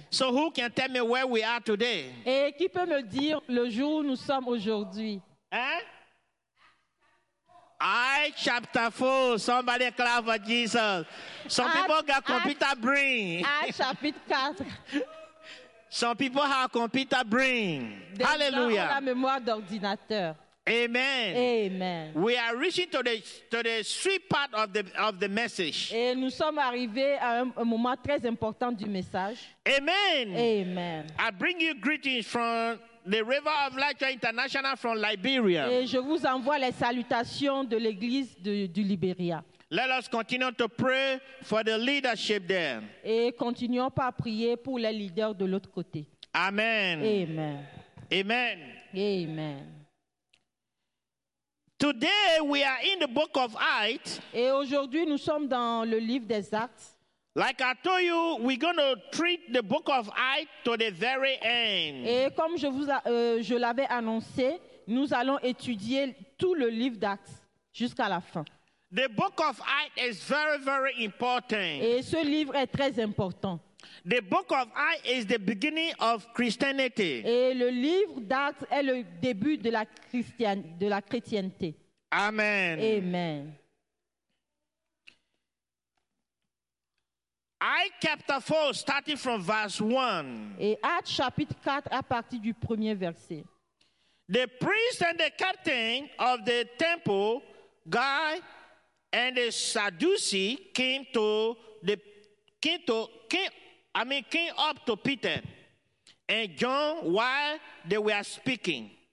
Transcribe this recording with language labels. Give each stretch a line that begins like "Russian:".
English: So who can tell me where we are today?
French: Et qui peut me dire le jour où nous sommes aujourd'hui?
English: Hein? I chapter 4. Somebody clap for Jesus. Some people got computer brain. I chapter 4. Some people have computer brain.
French: Des
English: Hallelujah.
French: Gens ont la mémoire d'ordinateur.
English: Amen. Amen. We are reaching to the sweet part of the message.
French: Et nous sommes arrivés à un moment très important du message.
English: Amen. Amen. I bring you greetings from the River of Life International from Liberia.
French: Et je vous envoie les salutations de l'église du Liberia.
English: Let us continue to pray for the leadership there.
French: Et continuons par prier pour les leaders de l'autre côté.
English: Amen. Amen. Amen. Amen. Today we are in the book of Acts.
French: Et aujourd'hui nous sommes dans le livre des Actes.
English: Like I told you, we're going to treat the book of Acts to the very end.
French: Et comme je l'avais annoncé, nous allons étudier tout le livre d'Actes jusqu'à la fin.
English: The book of Acts is very, very important.
French: Et ce livre est très important.
English: The book of Acts is the beginning of Christianity.
French: Et le livre d'Actes est le début de la chrétienté.
English: Amen. Amen. Acts chapter 4, starting from verse 1.
French: Et Actes chapitre 4, à partir du premier verset.
English: The priest and the captain of the temple, Guy and the Sadducee, came up to Peter and John while they were speaking.